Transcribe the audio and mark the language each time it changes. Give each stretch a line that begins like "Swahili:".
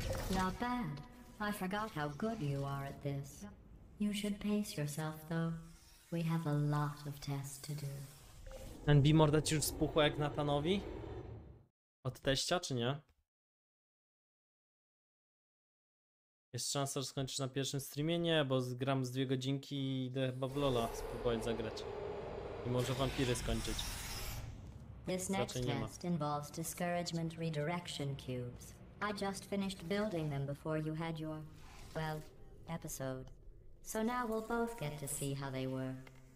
English: Not bad. I forgot how good you are at this. You should pace yourself, though. We have a lot of tests to do.
Polish: Ten bimordet już spuchł jak Nathanowi? Od teścia, czy nie? Jest szansa, że skończysz na pierwszym streamie? Nie, bo gram z 2 godzinki i idę chyba w LoL'a spróbować zagrać. I może wampiry skończyć.
English: This next test involves discouragement redirection cubes. I just finished building them before you had your, well, episode. So now we'll both get to see how they work.